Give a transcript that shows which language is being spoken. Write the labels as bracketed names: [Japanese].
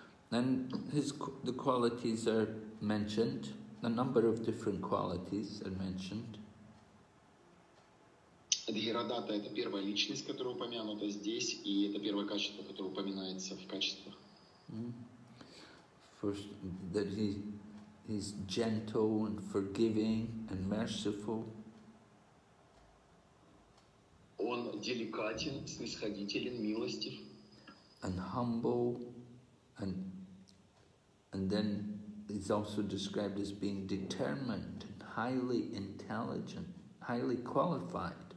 [English] And the qualities are mentioned, a number of different qualities are mentioned. [Russian] Адхирадата – это первая личность, которая упомянута здесь, и это первое качество, которое упоминается в качествах. [English] First, that he is gentle and forgiving and merciful. [Russian] Он деликатен, снисходителен, милостив. [English] And humble, and then he's also described as being determined, highly intelligent, highly qualified.